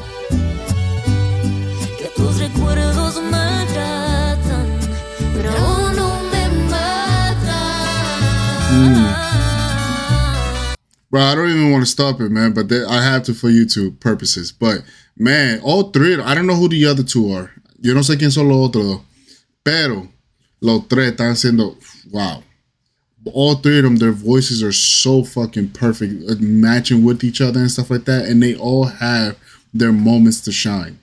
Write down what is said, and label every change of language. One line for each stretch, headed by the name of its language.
Spanish: esos recuerdos maltratan, pero aún no me matan.
English: Bro, I don't even want to stop it, man, but I have to for YouTube purposes. But, man, all three, I don't know who the other two are.
Spanish: Yo no sé quién son los otros, pero los tres están siendo, wow.
English: All three of them, their voices are so fucking perfect, matching with each other and stuff like that. And they all have their moments to shine.